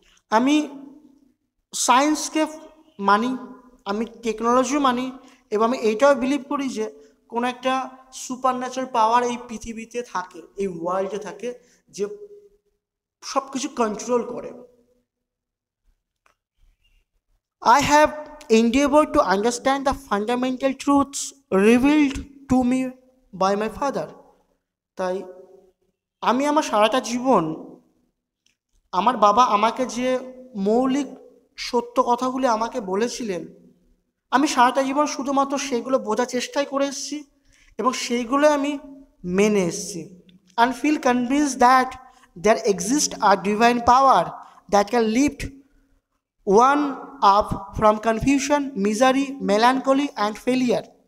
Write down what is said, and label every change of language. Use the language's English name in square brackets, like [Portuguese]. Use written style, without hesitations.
[Bangla] আমি সায়েন্সকে মানি, আমি টেকনোলজিও মানি, এবং আমি এটাও বিলিভ করি যে কোনো একটা সুপার ন্যাচারাল পাওয়ার এই পৃথিবীতে থাকে, এই ওয়ার্ল্ডে থাকে, যে সব কিছু কন্ট্রোল করে। [English] I have endeavored to understand the fundamental truths revealed to me by my father. [Bangla] তাই আমি আমার সারাটা জীবন আমার বাবা আমাকে যে মৌলিক সত্য কথাগুলি আমাকে বলেছিলেন আমি সারাটা জীবন শুধুমাত্র সেগুলো বোঝার চেষ্টাই করে এসেছি এবং সেইগুলো আমি মেনে এসেছি [English] and feel convinced that there exist a divine power that can lift one up from confusion misery melancholy and failure